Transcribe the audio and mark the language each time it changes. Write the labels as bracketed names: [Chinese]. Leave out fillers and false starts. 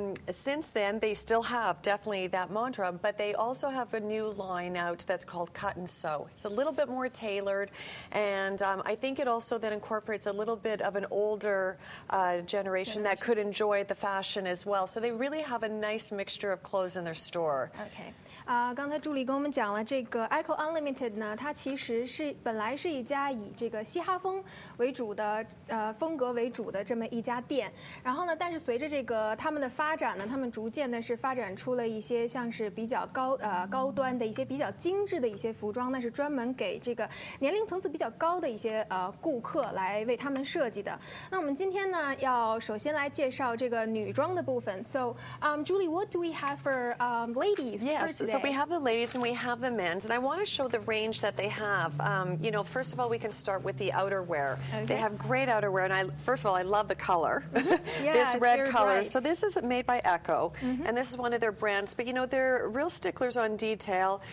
[English] Since then, they still have definitely that mantra, but they also have a new line out that's called Cut and Sew. It's a little bit more tailored, and I think it also then incorporates a little bit of an older generation that could enjoy the fashion as well. So they really have a nice mixture of clothes in their store. Okay. [Chinese] 刚才助理跟我们讲了这个 Echo Unlimited 呢，它其实是本来是一家以这个嘻哈风为主的风格为主的这么一家店，然后呢，但是随着这个他们的发展呢，他们逐渐的是发展出了一些像是比较高端的一些比较精致的一些服装，那是专门给这个年龄层次比较高的一些顾客来为他们设计的。那我们今天呢要首先来介绍这个女装的部分。 [English] So Julie, what do we have for ladies? Yes, so we have the ladies and we have the men's, and I want to show the range that they have. You know, first of all, we can start with the outerwear. Okay. They have great outerwear, and I love the color. Yeah, this red color, right. So this is made by Echo, and this is one of their brands. But, you know, they're real sticklers on detail.